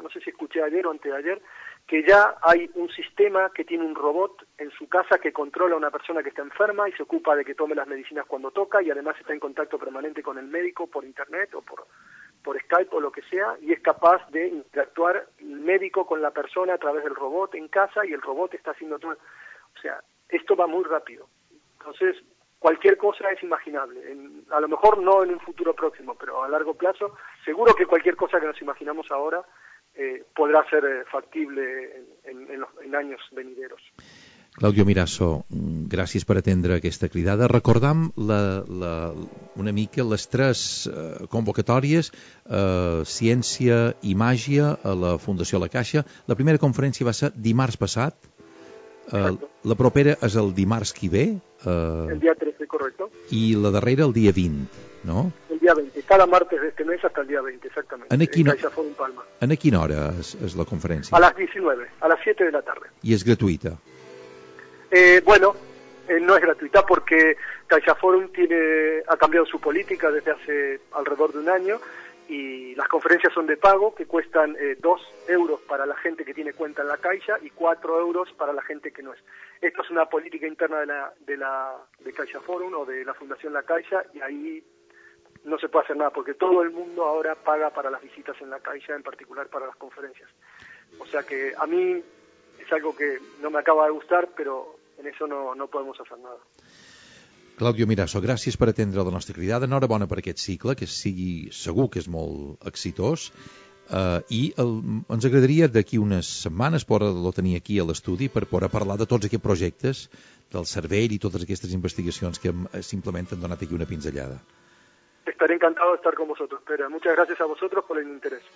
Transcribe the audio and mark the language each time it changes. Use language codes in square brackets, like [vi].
[es] No sé si escuché ayer o antes de ayer que ya hay un sistema que tiene un robot en su casa que controla a una persona que está enferma y se ocupa de que tome las medicinas cuando toca y además está en contacto permanente con el médico por internet o por Skype o lo que sea, y es capaz de interactuar el médico con la persona a través del robot en casa, y el robot está haciendo todo. O sea, esto va muy rápido. Entonces, cualquier cosa es imaginable. A lo mejor no en un futuro próximo, pero a largo plazo, seguro que cualquier cosa que nos imaginamos ahora podrá ser factible en años venideros. [ca] Claudio Mirasso, gràcies per atendre aquesta cridada. Recordam una mica les tres convocatòries, Ciència i Màgia, a la Fundació La Caixa. La primera conferència va ser dimarts passat. La propera és el dimarts que ve. El dia 13, correcte. I la darrera el dia 20, no? [es] El dia 20. Cada martes d'este mes hasta el dia 20, exactament. [ca] En quina hora és la conferència? A les 19, a les 7 de la tarda. I és gratuïta? [es] No es gratuita porque CaixaForum ha cambiado su política desde hace alrededor de un año y las conferencias son de pago, que cuestan 2 euros para la gente que tiene cuenta en la Caixa y 4 euros para la gente que no es. Esto es una política interna de CaixaForum o de la Fundación La Caixa, y ahí no se puede hacer nada porque todo el mundo ahora paga para las visitas en la Caixa, en particular para las conferencias. O sea que a mí es algo que no me acaba de gustar, pero en eso no podemos hacer nada. [ca] Claudio Mirasso, gràcies per atendre la nostra cridada. Enhorabona per aquest cicle, que sigui segur que és molt exitós. Ens agradaria d'aquí unes setmanes poder-lo tenir aquí a l'estudi per poder parlar de tots aquests projectes del cervell i totes aquestes investigacions que simplement han donat aquí una pinzellada. [es] Estaré encantado de estar con vosotros, Pere. Muchas gracias a vosotros por el interés.